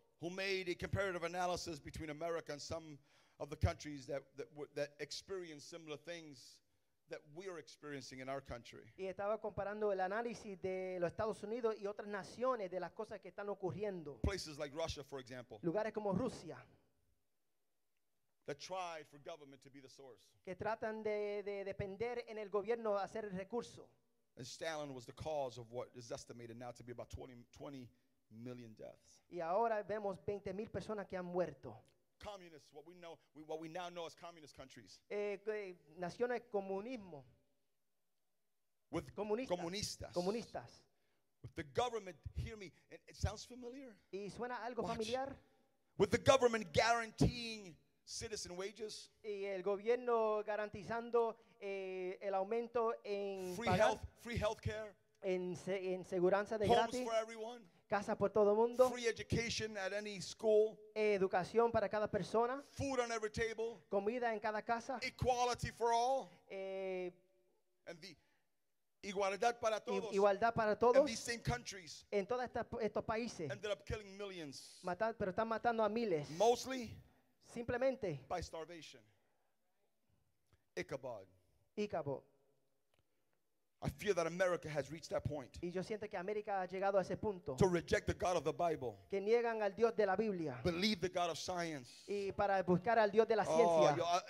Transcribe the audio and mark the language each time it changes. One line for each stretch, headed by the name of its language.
English: Who made a comparative analysis between America and some of the countries that experience similar things. That we are experiencing in our country.
Spanish: Y estaba comparando el análisis de los Estados Unidos y otras naciones de las cosas que están ocurriendo.
English: Places like Russia, for example.
Spanish: Lugares como Rusia.
English: That tried for government to be the source.
Spanish: Que tratan de depender en el gobierno a ser el recurso.
English: And Stalin was the cause of what is estimated now to be about 20 million deaths.
Spanish: Y ahora vemos 20 mil personas que han muerto.
English: Communists, what we now know as communist countries.
Spanish: Naciones comunismo.
English: With
Spanish: comunistas.
English: With the government, hear me, it sounds familiar.
Spanish: ¿Y suena algo familiar?
English: With the government guaranteeing citizen wages.
Spanish: ¿Y el gobierno garantizando el aumento en
English: free pagar? Health, free healthcare.
Spanish: En seguridad de
English: homes
Spanish: gratis.
English: Homes for everyone.
Spanish: Casa por todo mundo.
English: Free education at any school.
Spanish: Educación para cada persona.
English: Food on every table.
Spanish: Comida en cada casa.
English: Equality for all. And the
Spanish: igualdad para todos. Igualdad para todos.
English: And these same countries.
Spanish: En todos estos países.
English: Ended up killing millions.
Spanish: Pero están matando a miles.
English: Mostly.
Spanish: Simplemente.
English: By starvation. Ichabod. I fear that America has reached that point.
Spanish: Y yo siento que América ha llegado a ese punto.
English: To reject the God of the Bible.
Spanish: Que niegan al Dios de la Biblia.
English: Believe the God of science.
Spanish: Y para buscar al Dios de la ciencia.